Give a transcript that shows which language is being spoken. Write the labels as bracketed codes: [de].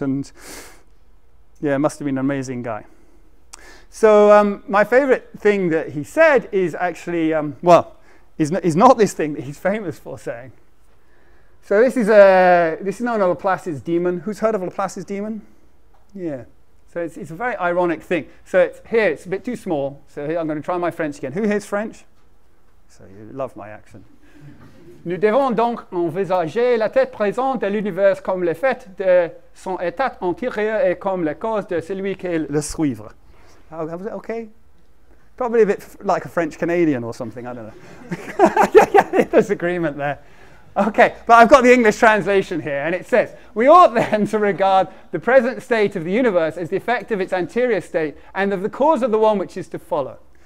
[en] And yeah, must have been an amazing guy. So my favorite thing that he said is actually, is not this thing that he's famous for saying. So this is known as Laplace's demon. Who's heard of Laplace's demon? Yeah. So it's a very ironic thing. So it's here, it's a bit too small. So here, I'm going to try my French again. Who hears French? So you love my accent. [fr] Nous devons donc envisager la tête présente de l'univers comme le fait de son état antérieur et comme la cause de celui qui est le suivre. [en] Okay. Probably a bit like a French Canadian or something, I don't know. Yeah, disagreement there. Okay, but I've got the English translation here, and it says, we ought then to regard the present state of the universe as the effect of its anterior state and of the cause of the one which is to follow.